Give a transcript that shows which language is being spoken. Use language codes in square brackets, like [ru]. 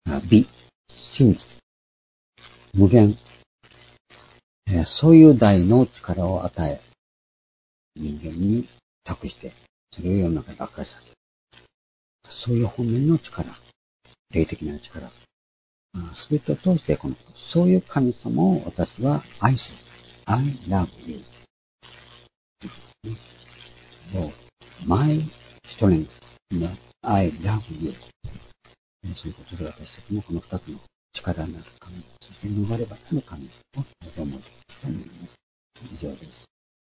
[ja] 美、真実、無限、そういう大の力を与え、人間に託して、それを世の中で明かさせる。そういう本面の力、霊的な力、すべてを通して、この、そういう神様を私は愛し、 [en] I love you. So, my strength, I love you. [ja] そういうことで私たちもこの二つの力になる神、そして逃れ場になる神を望むと思います。以上です。